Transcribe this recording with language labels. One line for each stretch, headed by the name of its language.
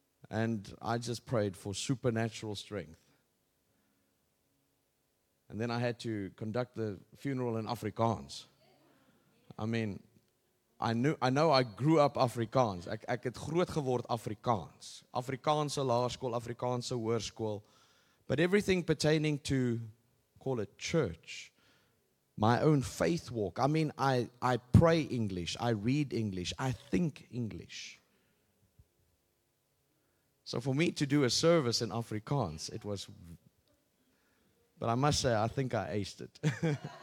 English: And I just prayed for supernatural strength. And then I had to conduct the funeral in Afrikaans. I mean, I know I grew up Afrikaans.
Afrikaans: Ek het groot geword Afrikaans. Afrikaanse laerskool, Afrikaanse hoërskool.
English: But everything pertaining to, call it church, my own faith walk. I mean, I pray English, I read English, I think English. So for me to do a service in Afrikaans, it was... But I must say, I think I aced it.